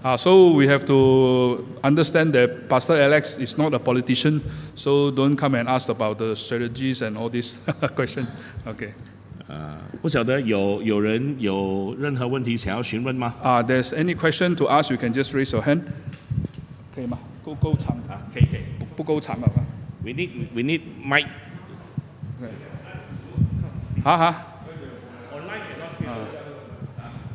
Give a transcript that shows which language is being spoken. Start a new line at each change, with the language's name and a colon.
English: So we have to understand that Pastor Alex is not a politician, so don't come and ask about the strategies and all this question. Okay.
Chinese: 不晓得有人有任何问题想要询问吗？
English: There's any question to ask, you can just raise your hand.
Chinese: 可以吗？够长啊，可以。不够长了吧
English: ？We need mic。
Chinese: 好好。
English: Online cannot hear。